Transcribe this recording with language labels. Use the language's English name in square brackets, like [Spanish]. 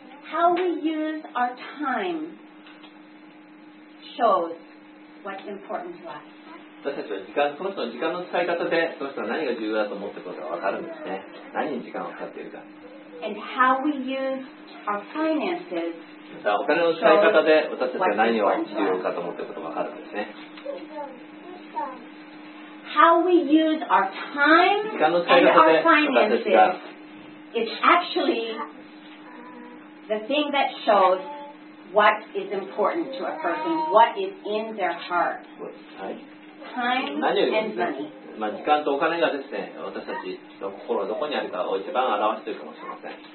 [English] How we use our time shows what's important to us. [Japanese] 私たちは時間、その人の時間の使い方で、その人は何が重要だと思っていることが分かるんですね。何に時間を使っているか。 [English] And how we use our finances shows what's important to us. [Japanese] お金の使い方で、私たちは何を重要かと思っていることが分かるんですね。 [English] How we use our time and our finances is actually the thing that shows what is important to a person, what is in their heart. Time and money. [Japanese] まあ時間とお金がですね、私たちの心どこにあるかを一番表しているかもしれません。